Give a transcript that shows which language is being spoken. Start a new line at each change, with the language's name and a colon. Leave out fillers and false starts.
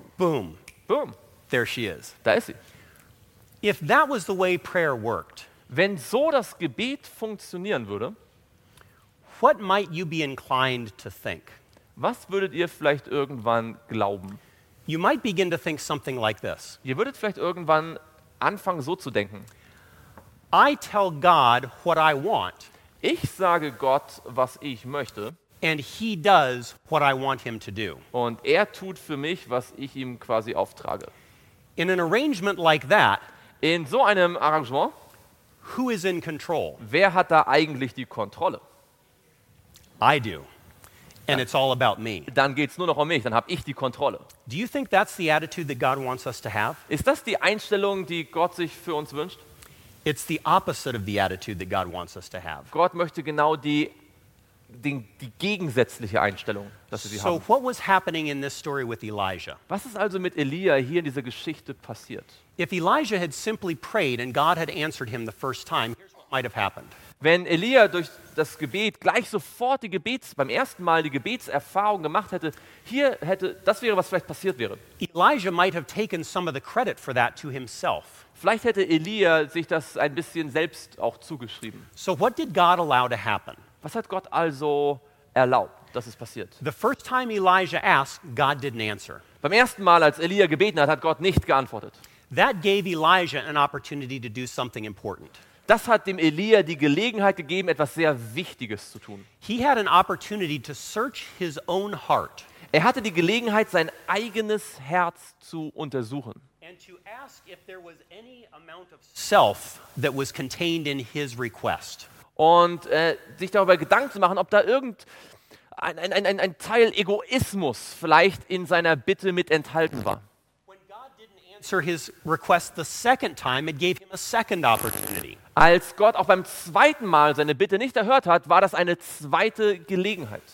English: Boom. Boom. There she is.
German: Da ist sie.
English: If that was the way prayer worked,
German: wenn so das Gebet funktionieren würde,
English: what might you be inclined to think?
German: Was würdet ihr vielleicht irgendwann glauben?
English: You might begin to think something like this.
German: Ihr würdet vielleicht irgendwann anfangen so zu denken.
English: I tell God what I want.
German: Ich sage Gott, was ich möchte.
English: And he does what I want him to do.
German: Und er tut für mich, was ich ihm quasi auftrage.
English: In an arrangement like that,
German: in so einem Arrangement,
English: who is in control?
German: Wer hat da eigentlich die Kontrolle?
English: I do. And it's all about me.
German: Dann geht's nur noch um mich, dann habe ich die Kontrolle.
English: Do you think that's the attitude that God wants us to have?
German: Ist das die Einstellung, die Gott sich für uns wünscht?
English: It's the opposite of the attitude that God wants us to have.
German: Gott möchte genau die gegensätzliche Einstellung, dass wir sie haben.
English: So what was happening in this story with Elijah?
German: Was ist also mit Elia hier in dieser Geschichte passiert?
English: If Elijah had simply prayed and God had answered him the first time, here's what might have happened.
German: Wenn Elia durch das Gebet gleich sofort beim ersten Mal die Gebetserfahrung gemacht hätte, das wäre, was vielleicht passiert wäre.
English: Elijah might have taken some of the credit for that to himself.
German: Vielleicht hätte Elia sich das ein bisschen selbst auch zugeschrieben.
English: So what did God allow to happen?
German: Was hat Gott also erlaubt, dass es passiert?
English: The first time Elijah asked, God didn't answer.
German: Beim ersten Mal, als Elia gebeten hat, hat Gott nicht geantwortet.
English: That gave Elijah an opportunity to do something important.
German: Das hat dem Elia die Gelegenheit gegeben, etwas sehr Wichtiges zu tun.
English: He had an opportunity to search his own heart.
German: Er hatte die Gelegenheit, sein eigenes Herz zu untersuchen.
English: And to ask if there was any amount of self that was contained in his request.
German: Und sich darüber Gedanken zu machen, ob da ein Teil Egoismus vielleicht in seiner Bitte mit enthalten war.
English: When God didn't answer his request the second time, it gave him a second opportunity.
German: Als Gott auch beim zweiten Mal seine Bitte nicht erhört hat, war das eine zweite Gelegenheit.